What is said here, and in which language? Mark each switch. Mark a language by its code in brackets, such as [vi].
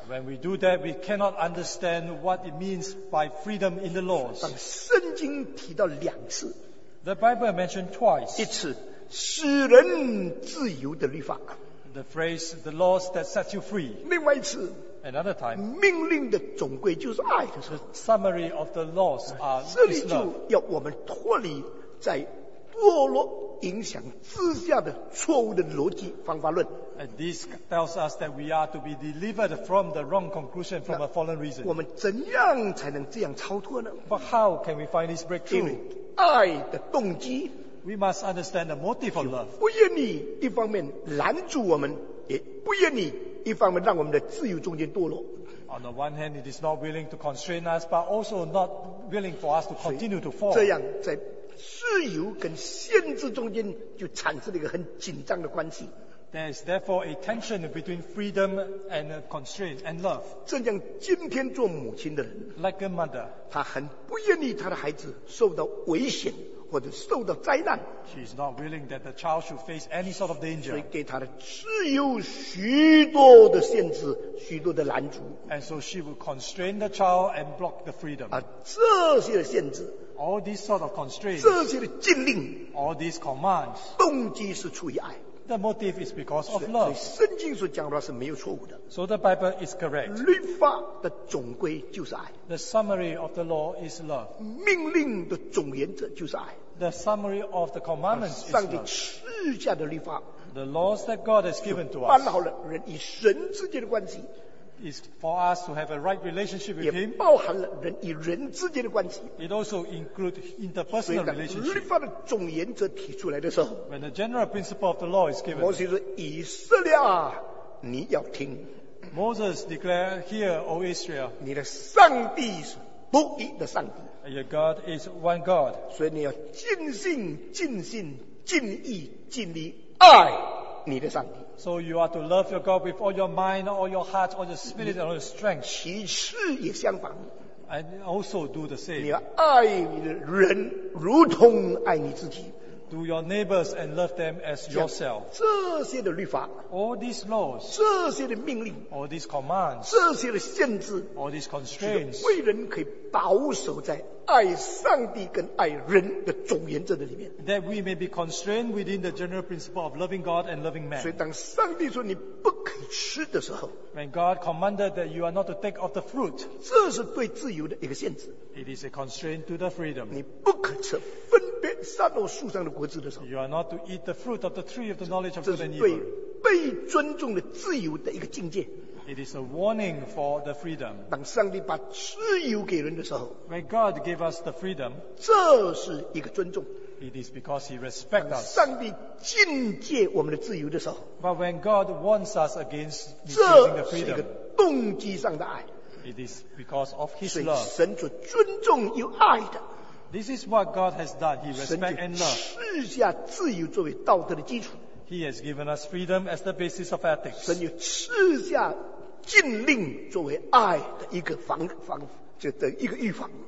[en] When we do that, we cannot understand what it means by freedom in the laws. [zh] 但圣经提到两次。 [en] The Bible mentioned twice. [zh] 一次使人自由的律法。 [en] The phrase, the laws that sets you free. [zh] 另外一次。 [en] Another time. [zh] 命令的总归就是爱的时候。 [en] The summary of the laws are [zh] love. 这里就要我们脱离在堕落影响之下的错误的逻辑方法论。 [en] And this tells us that we are to be delivered from the wrong conclusion from a fallen reason. [zh] 我们怎样才能这样超脱呢？ [en] But how can we find this breakthrough? [zh] 爱的动机。 [en] We must understand the motive of love. [zh] 不愿意一方面拦住我们，也不愿意一方面让我们的自由中间堕落。 [en] On the one hand, it is not willing to constrain us, but also not willing for us to continue to fall. [zh] 这样在自由跟限制中间就产生了一个很紧张的关系。 [en] There is therefore a tension between freedom and constraint and love. [zh] 正像今天做母亲的人 [en] ，like a mother， [zh] 她很不愿意她的孩子受到危险或者受到灾难。 [en] She is not willing that the child should face any sort of danger. [zh] 所以给她的自由许多的限制，许多的拦阻。 [en] And so she will constrain the child and block the freedom. [zh] 而这些的限制。 [en] All these sort of constraints, [zh] 这些的禁令, [en] all these commands, [zh] 动机是出于爱。 [en] The motive is because of love. [zh] 所以圣经所讲的是没有错误的。 [en] So the Bible is correct. [zh] 律法的总归就是爱。 [en] The summary of the law is love. [zh] 命令的总原则就是爱。 [en] The summary of the commandments is love. [zh] 上帝赐下的律法。 [en] The laws that God has given to us. [zh] 办好了人与神之间的关系。 [en] Is for us to have a right relationship with him. [zh] 也包含了人与人之间的关系。 [en] It also includes interpersonal relationship. [zh] 律法的总原则提出来的时候 [en] ，When the general principle of the law is given, [zh] 摩西说：“以色列啊，你要听。” [en] Moses declared, "Hear, O Israel." [zh] 你的上帝是独一的上帝。 [en] Your God is one God. [zh] 所以你要尽心、尽心、尽意、尽力爱你的上帝。 [en] So you are to love your God with all your mind, all your heart, all your spirit, and all your strength. [zh] 其实也相反。 [en] And also do the same. [zh] 你要爱人如同爱你自己。 [en] Do your neighbors and love them as yourself. [zh] 这些的律法。 [en] All these laws. [zh] 这些的命令。 [en] All these commands. [zh] 这些的限制。 [en] All these constraints. [zh] 是为人可以保守在爱上帝跟爱人的总原则的里面。 [en] That we may be constrained within the general principle of loving God and loving man. [zh] 所以当上帝说你不可以吃的时候 [en] ，When God commanded that you are not to take of the fruit， [zh] 这是对自由的一个限制。 [en] It is a constraint to the freedom. [zh] 你不可吃分别善恶树上的果子的时候 [en] ，You are not to eat the fruit of the tree of the knowledge of good and evil. [zh] 这是对被尊重的自由的一个境界。 [en] It is a warning for the freedom. [zh] 当上帝把自由给人的时候 [en] ，When God gave us the freedom, [zh] 这是一个尊重。 [en] It is because He respects us. [zh] 上帝禁戒我们的自由的时候 [en] ，But when God warns us against misusing the freedom, [zh] 这是一个动机上的爱。 [en] It is because of His love. [zh] 所以神所尊重又爱的。 [en] This is what God has done. He respects and loves. [zh] 神就赐下自由作为道德的基础。 [en] He has given us freedom as the basis of ethics. [zh] 神又赐下禁令作为爱的一个预防。